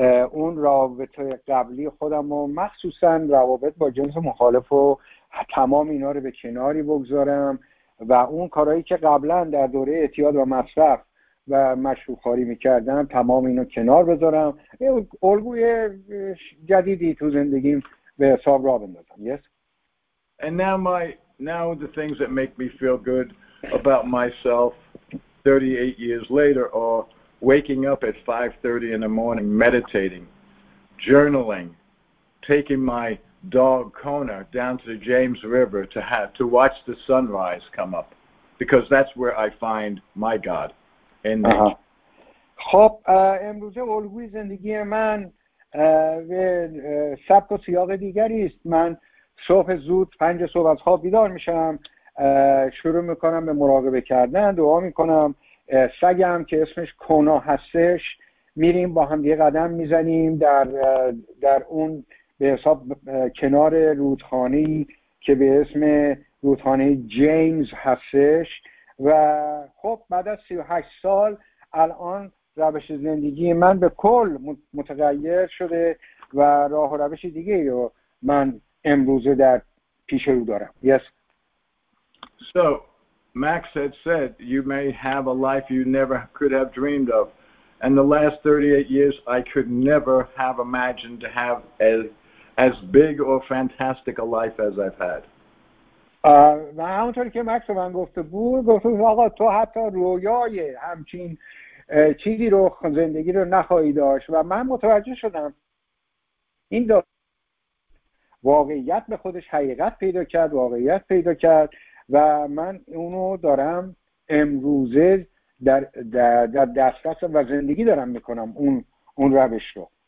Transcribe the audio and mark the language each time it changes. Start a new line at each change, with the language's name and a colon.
Persian: اون رابطه قبلی خودم و مخصوصا روابط با جنس مخالف و تمام اینا رو به کناری بگذارم و اون کارهایی که قبلا در دوره اعتیاد و مصرف و مشروب‌خواری میکردم تمام اینو کنار بذارم، یه الگوی جدیدی تو زندگیم به حساب را بندازم.
English: Yes. And now the things that make me feel good about myself 38 years later are waking up at 5:30 in the morning, meditating, journaling, taking my dog Kona down to the James River to watch the sunrise come up, because that's where I find my God in nature.
Persian: خب امروزه الگوی زندگی من به سبک و سیاق دیگری است. من صبح زود 5 صبح از خواب بیدار میشم، شروع میکنم به مراقبه کردن، دعا میکنم، سگم که اسمش کونا هستش، میریم با هم یه قدم میزنیم در اون به حساب کنار رودخانه‌ای که به اسم رودخانه جیمز هستش. و خب بعد از 38 سال الان روش زندگی من به کل متغیر شده و راه و روش دیگه رو من امروزه در پیش رو دارم.
English: Yes. So, Max had said you may have a life you never could have dreamed of. And the last 38 years I could never have imagined to have as big or fantastic a life as I've had.
Persian: و همونطوری که مکس من گفته بود، گفته بود آقا تو حتی رویای همچین چیزی رو زندگی رو نخواهی داشت. و من متوجه شدم این واقعیت به خودش حقیقت پیدا کرد، واقعیت پیدا کرد و من اونو دارم امروزه در دسترس و زندگی دارم میکنم اون روش رو.